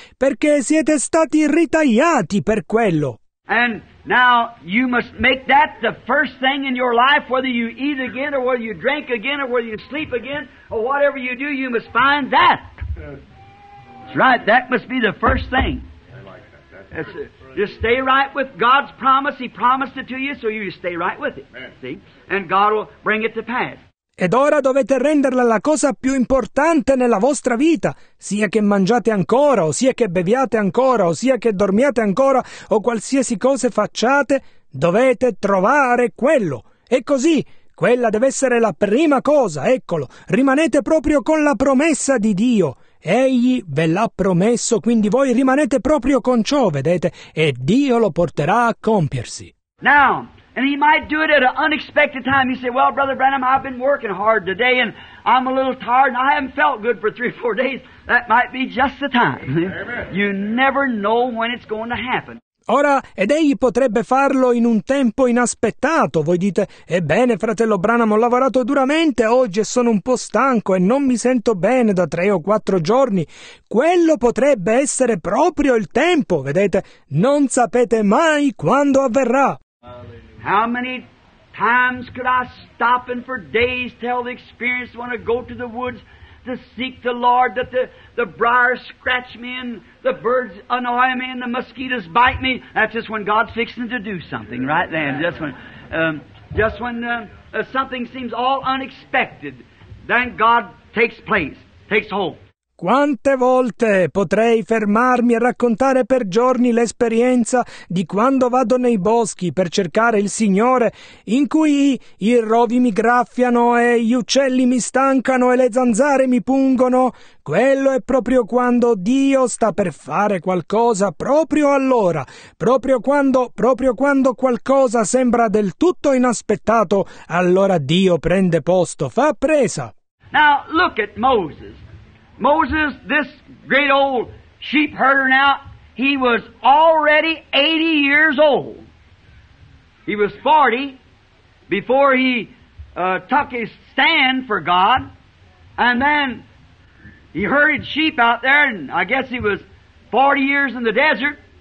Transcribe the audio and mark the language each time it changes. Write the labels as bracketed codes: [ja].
[it] Perché siete stati ritagliati per quello. [en] And now you must make that the first thing in your life, whether you eat again or whether you drink again or whether you sleep again or whatever you do, you must find that. That's right. That must be the first thing. Just stay right with God's promise. He promised it to you, so you stay right with it. Amen. See? And God will bring it to pass. [it] Ed ora dovete renderla la cosa più importante nella vostra vita, sia che mangiate ancora, o sia che beviate ancora, o sia che dormiate ancora, o qualsiasi cosa facciate, dovete trovare quello. E così, quella deve essere la prima cosa, eccolo, rimanete proprio con la promessa di Dio. Egli ve l'ha promesso, quindi voi rimanete proprio con ciò, vedete, e Dio lo porterà a compiersi. [en] Now, and he might do it at an unexpected time. You say, well, Brother Branham, I've been working hard today, and I'm a little tired, and I haven't felt good for 3 or 4 days. That might be just the time. Amen. You never know when it's going to happen. [it] Ora, ed egli potrebbe farlo in un tempo inaspettato. Voi dite, ebbene, fratello Branham, ho lavorato duramente oggi e sono un po' stanco e non mi sento bene da 3 o 4 giorni. Quello potrebbe essere proprio il tempo, vedete? Non sapete mai quando avverrà. [en] How many times could I stop and for days tell the experience when I go to the woods to seek the Lord, that the briars scratch me and the birds annoy me and the mosquitoes bite me? That's just when God's fixing to do something right then, just when something seems all unexpected, then God takes place, takes hold. [it] Quante volte potrei fermarmi e raccontare per giorni l'esperienza di quando vado nei boschi per cercare il Signore, in cui i rovi mi graffiano e gli uccelli mi stancano e le zanzare mi pungono? Quello è proprio quando Dio sta per fare qualcosa, proprio allora, proprio quando qualcosa sembra del tutto inaspettato, allora Dio prende posto, fa presa. [en] Now look at Moses. Moses, this great old sheep herder now, he was already 80 years old. He was 40 before he took his stand for God. And then he herded sheep out there, and I guess he was 40 years in the desert.